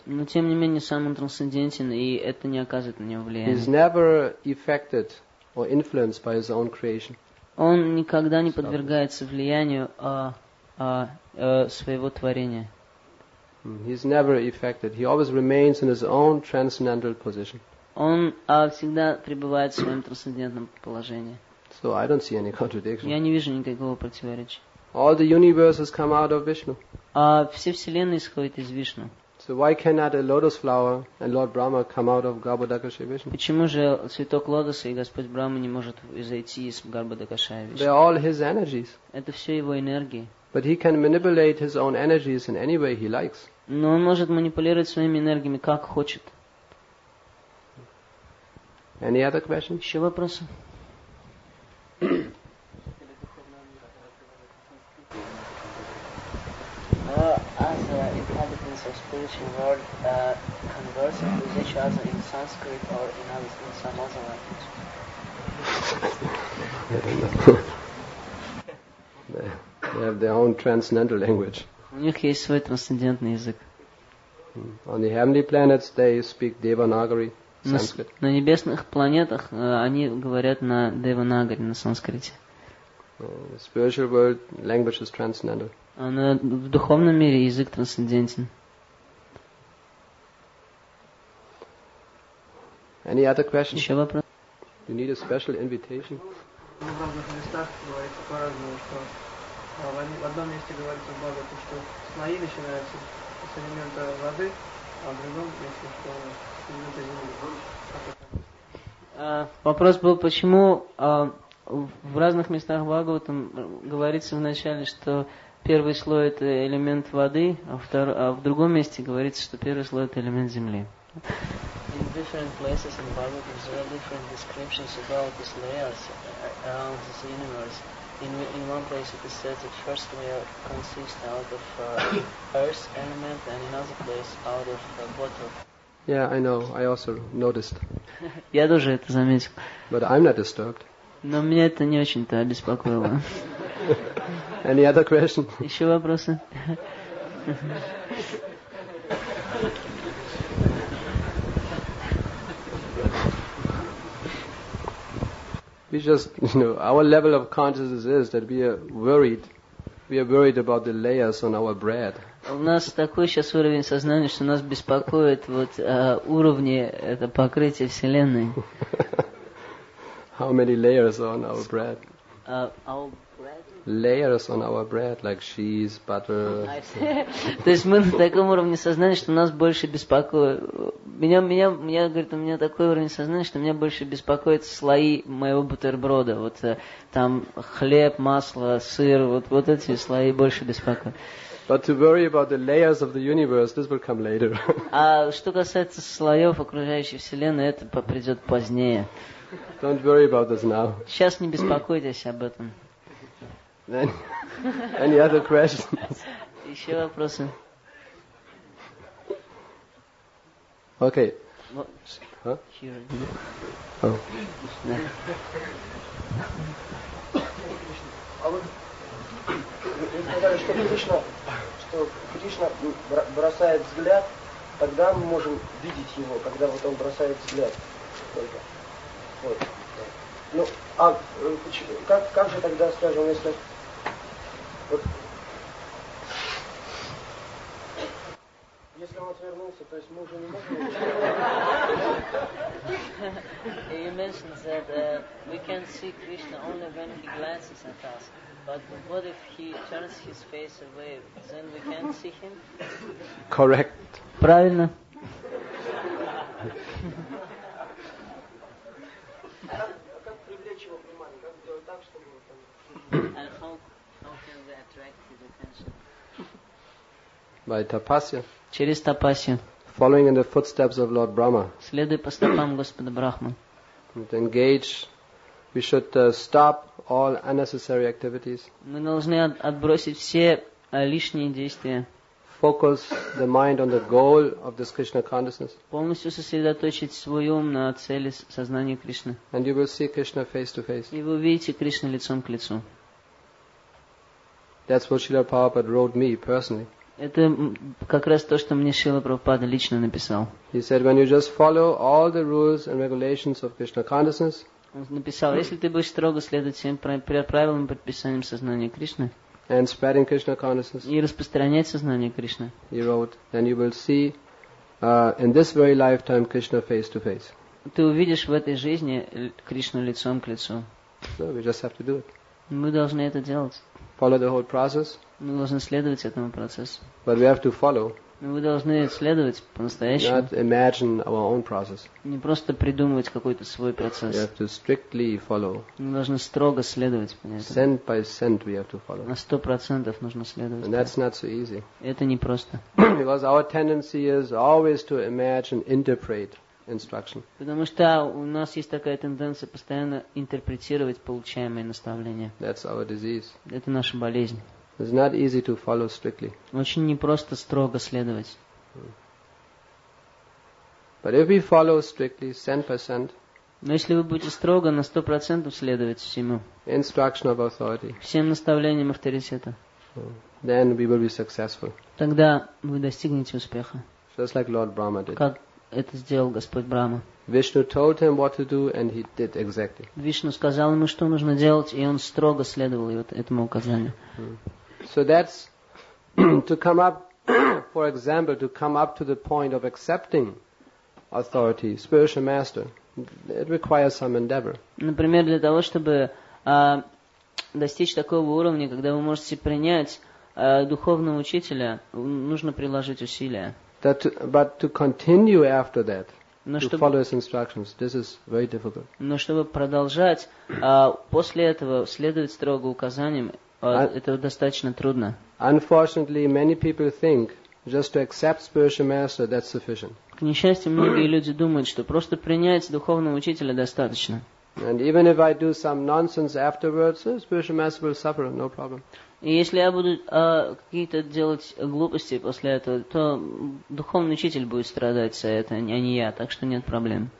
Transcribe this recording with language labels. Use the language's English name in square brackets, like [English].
[Russian] Но тем не менее, сам он трансцендентен, и это не оказывает на него влияния. [English] He's never affected or influenced by his own creation. [Russian] Он никогда не подвергается влиянию своего творения. [English] He's never affected. He always remains in his own transcendental position. [Russian] Он всегда пребывает в своем трансцендентном положении. [English] So I don't see any contradiction. [Russian] Я не вижу никакого противоречия. [English] All the universes come out of Vishnu. [Russian] Все вселенные исходят из Вишну. [English] So why cannot a lotus flower and Lord Brahma come out of Garbhodakashaya Vishnu? [Russian] Почему же цветок лотоса и Господь Брахма не может изойти из Garbhodakashaya Vishnu? [English] They are all his energies. [Russian] Это все его энергии. [English] But he can manipulate his own energies in any way he likes. [Russian] Но он может манипулировать своими энергиями как хочет. [English] Any other questions? [Russian] Еще вопросы? [English] beings of spiritual world converse with each other in Sanskrit or in other, in some other language? I don't know. They have their own transcendental language. [Russian] У них есть свой трансцендентный язык. [English] On the heavenly planets they speak Devanagari. [Russian] На небесных планетах они говорят на Деванагари, на санскрите. [English] The spiritual world language is transcendental. [Russian] А на в духовном мире язык трансцендентен. [English] Any other questions? [Russian] Еще вопрос? [English] You need a special invitation? [Russian] В разных местах говорится по-разному, что в одном месте говорится в Бхагавате, что слои начинаются с элемента воды, а в другом месте, что с элемента земли. Вопрос был, почему в разных местах Бхагавата говорится вначале, что первый слой это элемент воды, а в другом месте говорится, что первый слой это элемент земли. [English] In different places in Bhagavad there are different descriptions about these layers around this universe. In one place it is said that first layer consists out of earth element, and in other place out of water. Yeah, I know. I also noticed. [Russian] Я тоже это заметил. [English] But I'm not disturbed. [Russian] Но меня это не очень-то обеспокоило. [English] Any other question? [Russian] Еще вопросы? [English] We just, you know, our level of consciousness is that we are worried about the layers on our bread. [Russian] У нас такой сейчас уровень сознания, что нас беспокоит вот уровни это покрытие вселенной. [English] How many layers on our bread? Our bread. Layers on our bread, like cheese, butter. [Russian] То есть мы на таком уровне сознания, что нас больше беспокоит. Меня говорит, у меня такой уровень сознания, что меня больше беспокоят слои моего бутерброда. Вот там хлеб, масло, сыр, вот эти слои больше беспокоят. [English] But to worry about the layers of the universe, this will come later. [Russian] А что касается слоев окружающей вселенной, это придет позднее. [English] Don't worry about this now. [Russian] Сейчас не беспокойтесь об этом. [English] Then, any other questions? [Russian] Еще вопросы? [English] Okay. [Russian] Вы сказали, что Кришна бросает взгляд, тогда мы можем видеть его, когда вот он бросает взгляд. Ну, а как же тогда, скажем, если... [English] You mentioned that we can see Krishna only when he glances at us. But what if he turns his face away? Then we can't see him? Correct. [Russian] Правильно. Как привлечь его внимание? Как сделать так, чтобы он там... [English] And how can we attract his attention? By tapasya. [Russian] Через тапасию. [English] Following in the footsteps of Lord Brahma. [Russian] Следуя по стопам Господа Брахмы. [English] And engage. We should stop all unnecessary activities. [Russian] Мы должны отбросить все лишние действия. [English] Focus the mind on the goal of this Krishna consciousness. [Russian] Полностью сосредоточить свой ум на цели сознания Кришны. [English] And you will see Krishna face to face. [Russian] И вы увидите Кришну лицом к лицу. [English] That's what Srila Prabhupada wrote me personally. [Russian] Это как раз то, что мне Шрила Прабхупада лично написал. [English] He said, when you just follow all the rules and regulations of Krishna consciousness. [Russian] Он написал, если ты будешь строго следовать всем правилам и предписаниям сознания Кришны. [English] And spreading Krishna consciousness. [Russian] И распространять сознание Кришны. [English] He wrote, then you will see in this very lifetime Krishna face to face. [Russian] Ты увидишь в этой жизни Кришну лицом к лицу. [English] So we just have to do it. [Russian] Мы должны это делать. [English] Follow the whole process. [Russian] Мы должны следовать этому процессу. [English] But we have to follow. [Russian] Мы должны следовать по-настоящему. [English] Not imagine our own process. [Russian] Не просто придумывать какой-то свой процесс. [English] We have to strictly follow. [Russian] Мы должны строго следовать, понятно? [English] Cent by cent we have to follow. [Russian] На 100% нужно следовать. [English] And that's not so easy. [Russian] Это не просто. [English] Because our tendency is always to imagine, interpret instruction. [Russian] Потому что у нас есть такая тенденция постоянно интерпретировать получаемые наставления. [English] That's our disease. [Russian] Это наша болезнь. [English] It's not easy to follow strictly. [Russian] Очень непросто строго следовать. [English] But if we follow strictly 10%, [Russian] но если вы будете строго на 100% следовать всему, [English] instruction of authority, [Russian] всем наставлениям авторитета, [English] then we will be successful. [Russian] Тогда вы достигнете успеха. [English] Just like Lord Brahma did. [Russian] Как это сделал Господь Брама. [English] Vishnu told him what to do, and he did exactly. [Russian] Вишну сказал ему, что нужно делать, и он строго следовал этому указанию. [English] So that's to come up, for example, to come up to the point of accepting authority, spiritual master. It requires some endeavor. [Russian] Например, для того, чтобы достичь такого уровня, когда вы можете принять духовного учителя, нужно приложить усилия. [English] But to continue after that, to follow his instructions, this is very difficult. [Russian] Но чтобы продолжать после этого следовать строго указаниям, это достаточно трудно. [English] Unfortunately, many people think just to accept spiritual master that's sufficient. [Russian] К несчастью, многие люди думают, что просто принять духовного учителя достаточно. [English] And even if I do some nonsense afterwards, spiritual master will suffer, no problem. [Russian] И если я буду какие-то делать глупости после этого, то духовный учитель будет страдать за это, а не я, так что нет проблем.